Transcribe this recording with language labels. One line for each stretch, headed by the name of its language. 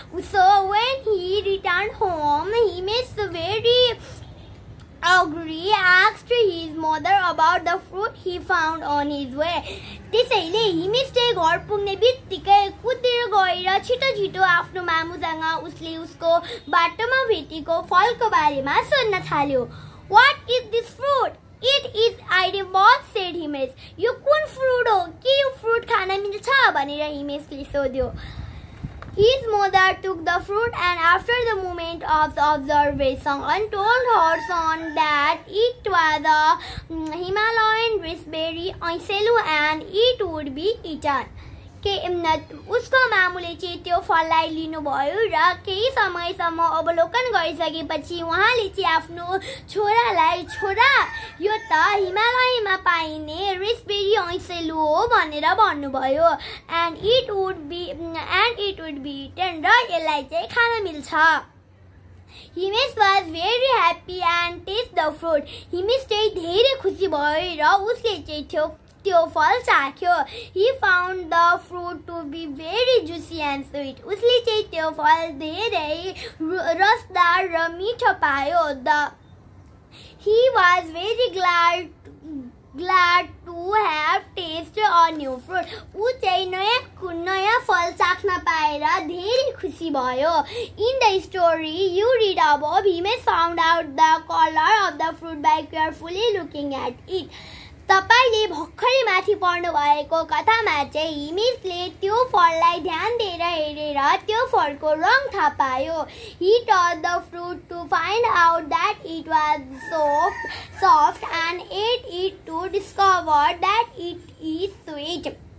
English: So when he returned home, Himesh very Agri asked his mother about the fruit he found on his way.
Nepali: त्यसैले हिमेशले घर पुग्ने बित्तिकै कुदेर गएर छिटो छिटो आफ्नो मामुसँग उसले उसको बाटोमा भेटेको फलको बारेमा सोध्न थाल्यो.
English: What is this fruit? It is edible, said Himesh.
Nepali: यो कुन फ्रुट हो, के यो फ्रुट खान मिल्छ भनेर हिमेशले सोध्यो.
English: His mother took the fruit and after the moment of the observation and told her son that it was a Himalayan raspberry isello and it would be eaten.
Nepali: उसको मामुले चाहिँ त्यो फललाई लिनुभयो र केही समयसम्म अवलोकन गरिसकेपछि उहाँले चाहिँ आफ्नो छोरालाई, छोरा यो त हिमालयमा पाइने रेसबेरी ऐसेलु हो भनेर भन्नुभयो.
English: and it would be eaten,
Nepali: र यसलाई चाहिँ खान मिल्छ.
English: Himesh was very happy and tasted the fruit.
Nepali: Himesh चाहिँ धेरै खुसी भयो र उसले चाहिँ त्यो फल चाख्यो.
English: He found the fruit to be very juicy and sweet.
Nepali: उसले चाहिँ त्यो फल धेरै रसदार र मिठो पायो.
English: The he was very glad to have taste a new fruit.
Nepali: ऊ चाहिँ नयाँ फल चाख्न पाएर धेरै खुसी भयो.
English: In the story you read above, Himesh found out the colour of the fruit by carefully looking at it.
Nepali: तपाईँले भर्खरै माथि पढ्नुभएको कथामा चाहिँ हिमेशले त्यो फललाई ध्यान दिएर हेरेर त्यो फलको रङ थाहा पायो.
English: He touch the fruit to find out that it was soft and ate it to discover that it is sweet.